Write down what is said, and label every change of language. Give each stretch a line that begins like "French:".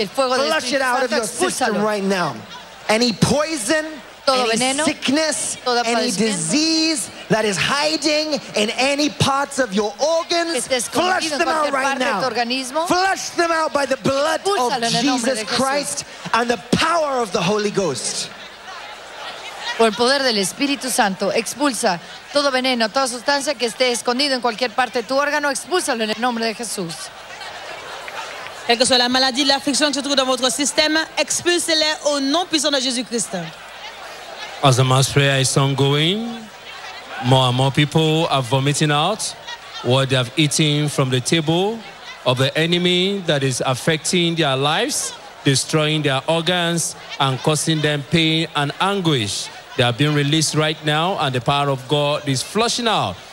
English: Flush it out of your system right now. Any poison, any sickness, any disease that is hiding in any parts of your organs, flush them out right now. Flush them out by the blood of Jesus Christ and the power of the Holy Ghost.
Spanish: Por el poder del Espíritu Santo, expulsa todo veneno, toda sustancia que esté escondido en cualquier parte de tu órgano, expúlsalo en el nombre de Jesús.
French: Quel que soit la maladie, l'affliction que se trouve dans votre système, expulsez-les au nom puissant de Jésus Christ.
English: As the mass prayer is ongoing, more and more people are vomiting out what they have eaten from the table of the enemy that is affecting their lives, destroying their organs, and causing them pain and anguish. They are being released right now, and the power of God is flushing out